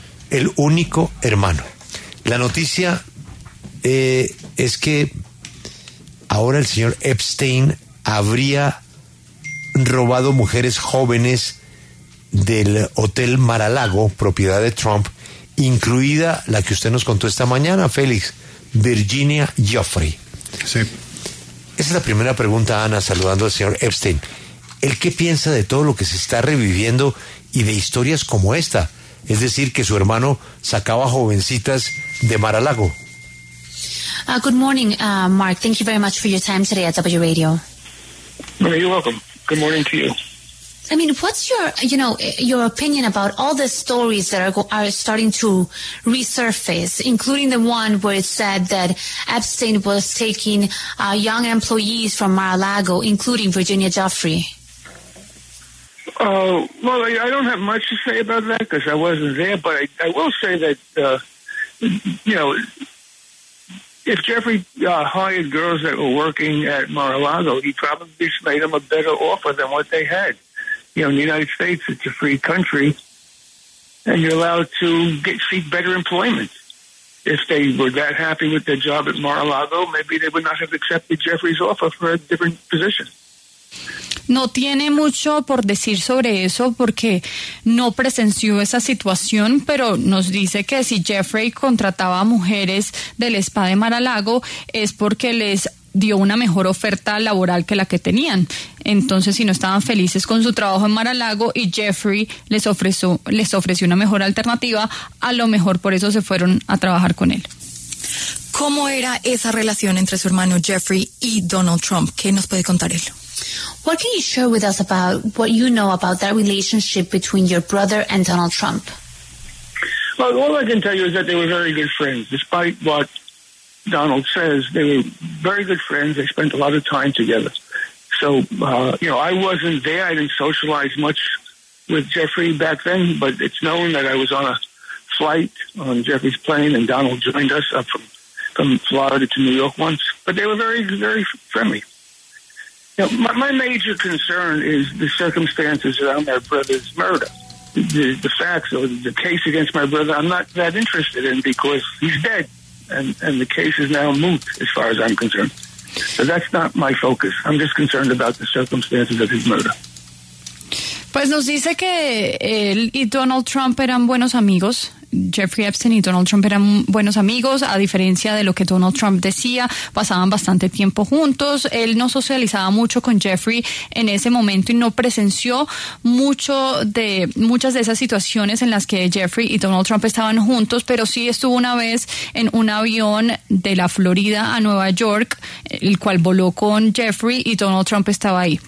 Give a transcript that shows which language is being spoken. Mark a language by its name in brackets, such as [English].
[Spanish] El único hermano. La noticia es que ahora el señor Epstein habría robado mujeres jóvenes del Hotel Mar-a-Lago, propiedad de Trump, incluida la que usted nos contó esta mañana, Félix, Virginia Giuffre. Sí. Esa es la primera pregunta, Ana, saludando al señor Epstein. ¿El qué piensa de todo lo que se está reviviendo y de historias como esta? Es decir, que su hermano sacaba jovencitas de Mar-a-Lago. [English] Good morning, Mark. Thank you very much for your time today at W Radio. You're welcome. Good morning to you. I mean, what's your, you know, your opinion about all the stories that are starting to resurface, including the one where it said that Epstein was taking young employees from Mar-a-Lago, including Virginia Giuffre? Well, I don't have much to say about that because I wasn't there, but I will say that, you know, if Jeffrey hired girls that were working at Mar-a-Lago, he probably made them a better offer than what they had. You know, in the United States, it's a free country, and you're allowed to seek better employment. If they were that happy with their job at Mar-a-Lago, maybe they would not have accepted Jeffrey's offer for a different position. [Spanish] No tiene mucho por decir sobre eso porque no presenció esa situación, pero nos dice que si Jeffrey contrataba a mujeres del spa de Mar-a-Lago es porque les dio una mejor oferta laboral que la que tenían. Entonces, si no estaban felices con su trabajo en Mar-a-Lago y Jeffrey les ofreció una mejor alternativa, a lo mejor por eso se fueron a trabajar con él. ¿Cómo era esa relación entre su hermano Jeffrey y Donald Trump? ¿Qué nos puede contar él? [English] What can you share with us about what you know about that relationship between your brother and Donald Trump? Well, all I can tell you is that they were very good friends. Despite what Donald says, they were very good friends. They spent a lot of time together. So, you know, I wasn't there. I didn't socialize much with Jeffrey back then, but it's known that I was on a flight on Jeffrey's plane and Donald joined us up from Florida to New York once. But they were very, very friendly. You know, my major concern is the circumstances around my brother's murder. The facts or the case against my brother, I'm not that interested in because he's dead and the case is now moot as far as I'm concerned. So that's not my focus. I'm just concerned about the circumstances of his murder. [Spanish] Pues nos dice que él y Donald Trump eran buenos amigos. Jeffrey Epstein y Donald Trump eran buenos amigos, a diferencia de lo que Donald Trump decía, pasaban bastante tiempo juntos. Él no socializaba mucho con Jeffrey en ese momento y no presenció muchas de esas situaciones en las que Jeffrey y Donald Trump estaban juntos, pero sí estuvo una vez en un avión de la Florida a Nueva York, el cual voló con Jeffrey y Donald Trump estaba ahí.